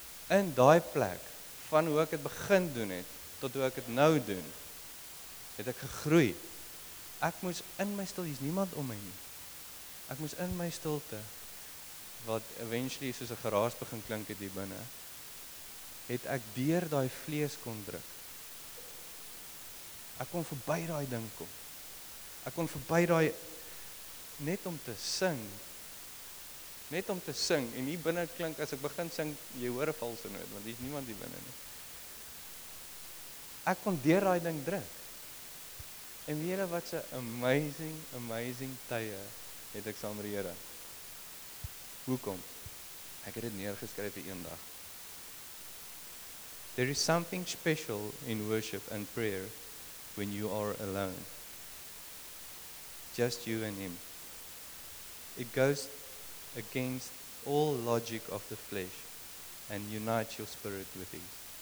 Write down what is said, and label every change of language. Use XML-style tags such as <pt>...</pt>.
<af>In die plek, van hoe ek het begin doen het, tot hoe ek het nou doen, het ek gegroei. Ek moes in my stilte, hier is niemand om my nie. Ek moes in my stilte, wat eventually soos 'n geraas begin klink het hier binnen, het ek deur die vlees kon druk. Ek kon verby die ding kom. Ek kon verby die, net om te sing, net om te sing, en hier binnen klink, as ek begin sing, jy hoor een valse noot, want hier is niemand hier binnen nie. Ek kon deur die ding druk. En weet jy wat 'n amazing, amazing tye het ek saam met die Here. Hoekom? Ek het dit neergeskryf eendag.</af> <en>There is something special in worship and prayer when you are alone. Just you and Him. It goes against all logic of the flesh and unites your spirit with His.</en>